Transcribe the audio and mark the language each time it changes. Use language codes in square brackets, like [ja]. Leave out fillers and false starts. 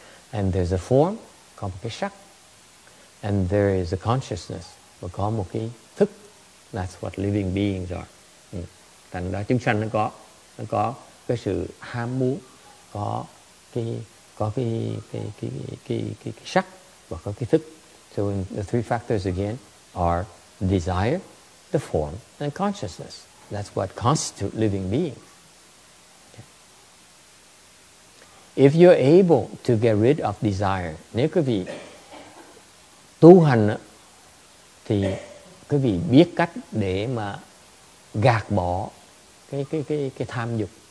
[en] And there's a form, [vi] có một cái sắc. [en] And there is a consciousness, [vi] và có một cái thức. [en] That's what living beings are. [vi] Thành ra chúng sanh nó có cái sự ham muốn, có cái sắc và có cái thức. [en] So the three factors again are desire, the form, and consciousness. That's what constitute living beings. If you're able to get rid of desire, [vi] nếu quý vị tu hành thì quý vị biết cách để mà gạt bỏ cái tham dục.